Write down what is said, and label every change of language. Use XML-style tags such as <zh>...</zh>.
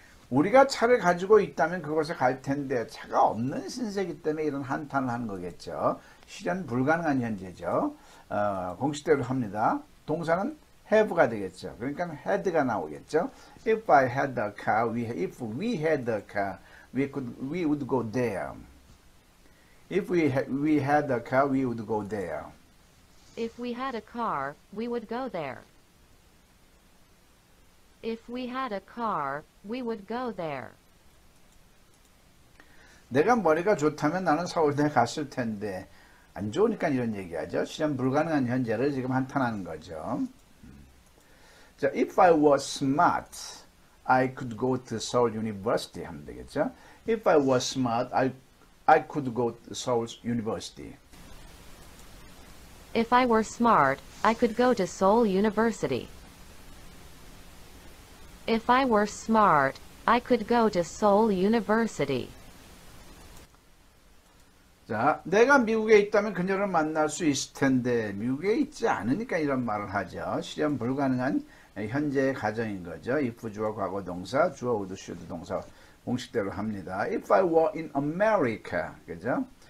<ko>우리가 차를 가지고 있다면 그곳에 갈 텐데 차가 없는 신세기 때문에 이런 한탄을 하는 거겠죠. 실현 불가능한 현재죠. 공식대로 합니다. 동사는 have가 되겠죠. 그러니까 had가 나오겠죠.</ko> <en>If I had a car, if we had a car, we would go there. If we had a car, we would go there. If we had a car, we would go there. If we had a car, we would go there.</en> <ko>내가 머리가 좋다면 나는 서울대 갔을 텐데 안 좋으니까 이런 얘기하죠. 실현 불가능한 현재를 지금 한탄하는 거죠. 자,</ko> <en>if I was smart, I could go to Seoul University</en> <ko>하면 되겠죠.</ko> <en>If I was smart, I could go to Seoul University. If I were smart, I could go to Seoul University. If I were smart, I could go to Seoul University.</en> <ko>자, 내가 미국에 있다면 그녀를 만날 수 있을 텐데 미국에 있지 않으니까 이런 말을 하죠. 실현 불가능한 현재의 가정인 거죠. if 주어 과거 동사, 주어 would, should 동사 공식대로 합니다.</ko> <en>If I were in America,</en> <ko>그죠?</ko>